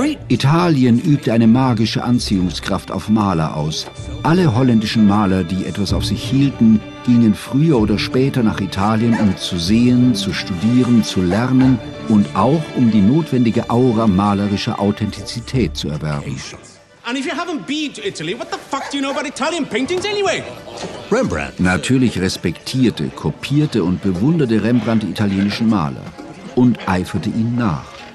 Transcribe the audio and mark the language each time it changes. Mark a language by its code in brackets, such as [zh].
[de] Italien übte eine magische Anziehungskraft auf Maler aus. Alle holländischen Maler, die etwas auf sich hielten, gingen früher oder später nach Italien, um zu sehen, zu studieren, zu lernen und auch um die notwendige Aura malerischer Authentizität zu erwerben. [en] And if you haven't been to Italy, what the fuck do you know about Italian paintings anyway? Rembrandt. [de] Natürlich respektierte, kopierte und bewunderte Rembrandt die italienischen Maler und eiferte ihnen nach.